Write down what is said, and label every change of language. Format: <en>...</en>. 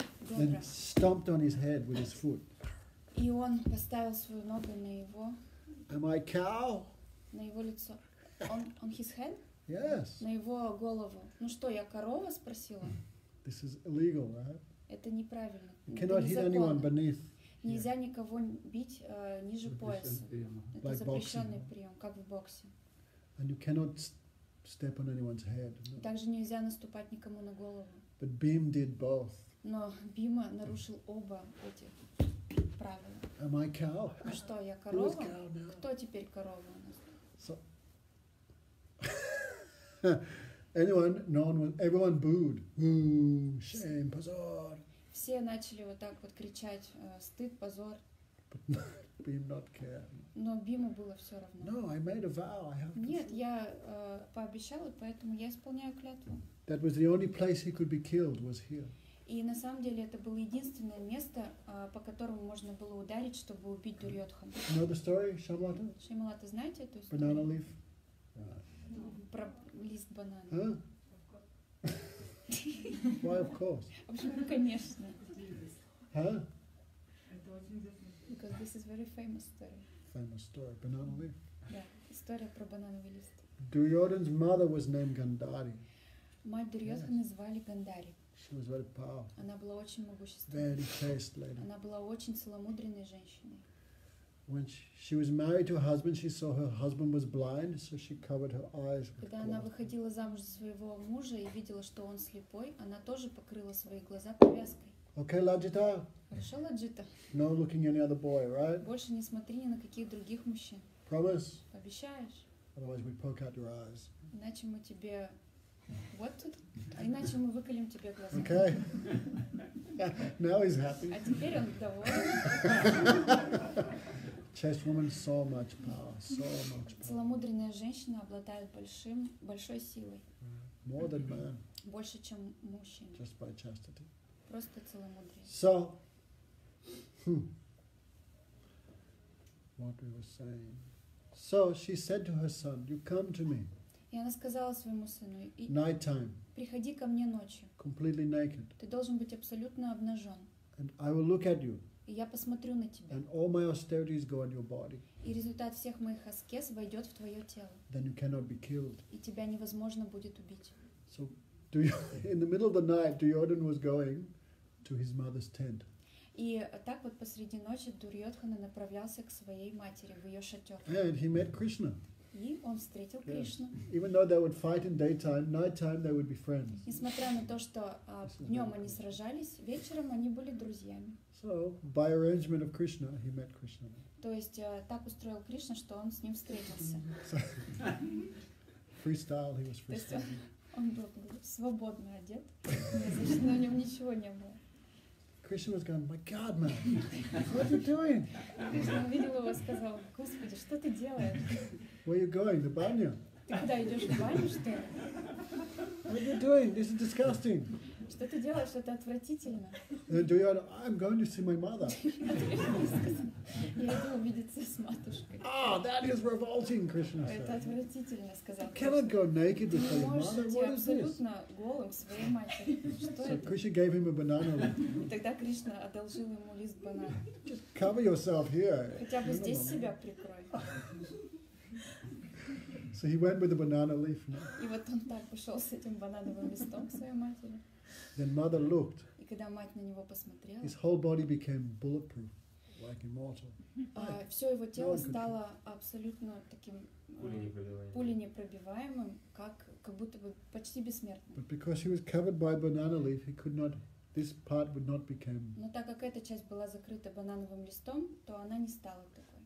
<en>And stomped on his head with his foot.</en> <ru>И он поставил свою ногу на его.</ru> <en>Am I cow?</en> <ru>На его лицо.</ru> <en>On his head? Yes.</en> <ru>На его голову. Ну что, я корова спросила?</ru> <en>This is illegal, right?</en> <ru>Это неправильно.</ru> <en>You cannot hit anyone beneath.</en> <ru>Нельзя никого бить ниже пояса. Это</ru> <en>like</en> <ru>запрещенный</ru> <en>boxing,</en> <ru>прием, как в боксе.</ru> <en>And you cannot step on anyone's head. No.</en> <ru>Также нельзя наступать никому на голову.</ru> <en>But Bhim did both.</en> <ru>Но Бхима нарушил оба эти правила.</ru> <en>Am I cow?</en> <ru>Ну что, я корова?</ru> <en>Cow now.</en> <ru>Кто теперь корова у нас?</ru> <en>So anyone, no one, everyone booed. Ooh, shame,</en> <ru>позор. Все начали вот так вот кричать: стыд, позор.</ru> <en>But no, Bhim not care.</en> <ru>Но Бхиму было все равно.</ru> <en>No, I made a vow. I have to.</en> <ru>Нет, я пообещала, поэтому я исполняю клятву.</ru> <en>That was the only place he could be killed was here.</en> <ru>И на самом деле это было единственное место, по которому можно было ударить, чтобы убить Дурьотхану.</ru> <en>You know the story, Шамалата?</en> <ru>Шамалата, знаете эту историю?</ru> <en>Banana leaf.</en> <ru>Про лист банана.</ru> <en>Huh? Why, of course.</en> <ru>В общем, конечно. Huh?</ru> <en>Because this is very famous story. Famous story, banana leaf.</en> <ru>Yeah, история про банановый лист.</ru> <en>Duryodhan's mother was named Gandhari.</en> <ru>Мать Дурьотхана звали Гандари.</ru> <en>She was very powerful.</en> <ru>Она была очень могущественной.</ru> <en>Very chaste lady.</en> <ru>Она была очень целомудренной женщиной.</ru> <en>When she was married to her husband, she saw her husband was blind, so she covered her eyes with cloth.</en> <ru>Когда она выходила замуж за своего мужа и видела, что он слепой, она тоже покрыла свои глаза повязкой.</ru> <en>Okay, Ladjita.</en> <ru>Хорошо, Ладжита.</ru> <en>No looking any other boy, right?</en> <ru>Больше не смотри ни на каких других мужчин.</ru> <en>Promise.</en> <ru>Обещаешь?</ru> <en>Otherwise, we poke out your eyes.</en> <ru>Иначе мы тебе вот тут, иначе мы выколем тебе глаза.</ru> <en>Okay. Now he's happy.</en> <ru>А теперь он доволен.</ru> <en>Chaste woman, so much power, so much power.</en> <ru>Целомудренная женщина обладает большим, большой силой.</ru> <en>More than man.</en> <ru>Больше, чем мужчина.</ru> <en>Just by chastity.</en> <ru>Просто целомудрие.</ru> <en>So, what we were saying. So she said to her son, "You come to me."</en> <ru>И она сказала своему сыну.</ru> <en>Night time.</en> <ru>Приходи ко мне ночью.</ru> <en>Completely naked.</en> <ru>Ты должен быть абсолютно обнажен.</ru> <en>And I will look at you.</en> <ru>И я посмотрю на тебя.</ru> <en>And all my austerities go on your body.</en> <ru>И результат всех моих аскез войдет в твое тело.</ru> <en>Then you cannot be killed.</en> <ru>И тебя невозможно будет убить.</ru> <en>So, in the middle of the night, Duryodhan was going to his mother's tent.</en> <ru>И так вот посреди ночи Дурьотхана направлялся к своей матери в ее шатер.</ru> <en>And he met Krishna.</en> <ru>И он встретил Кришну.</ru> <en>Even though they would fight in daytime, nighttime they would be friends.</en> <ru>Несмотря на то, что днем они сражались, вечером они были друзьями.</ru> <en>So, by arrangement of Krishna, he met Krishna.</en> <ru>То есть так устроил Кришна, что он с ним встретился.</ru> <en>Freestyle, he was freestyle.</en> <ru>Он был свободно одет, значит, на нем ничего не было.</ru> <en>Krishna was going, my God, man, what are you doing?</en> <ru>Krishna увидел его и сказал, Господи, что ты делаешь?</ru> <en>Where are you going? The banya?</en> <ru>Куда идешь, в баню, что ли?</ru> <en>What are you doing? This is disgusting.</en> <ru>Что ты делаешь? Это отвратительно.</ru> <en>And Duryodhana, I'm going to see my mother.</en> <ru>Я иду увидеться с матушкой.</ru> <en>Ah, that is revolting, Krishna said.</en> <ru>Это отвратительно, сказал.</ru> <en>Cannot go naked before your mother. What is this?</en> <ru>Ты можешь идти абсолютно голым к своей матери. Что это?</ru> <en>So Krishna gave him a banana leaf.</en> <ru>Тогда Кришна одолжил ему лист банана.</ru> <en>Just cover yourself here.</en> <ru>Хотя бы здесь себя прикрой.</ru> <en>So he went with the banana leaf.</en> <ru>И вот он так пошел с этим банановым листом к своей матери.</ru> <en>Then mother looked.</en> <ru>И когда мать на него посмотрела.</ru> <en>His whole body became bulletproof, like immortal.</en> <ru>Все его тело стало абсолютно таким пуленепробиваемым, как будто бы почти бессмертным.</ru> <en>But because he was covered by banana leaf, he could not. This part would not become.</en> <ru>Но так как эта часть была закрыта банановым листом, то она не стала такой.</ru>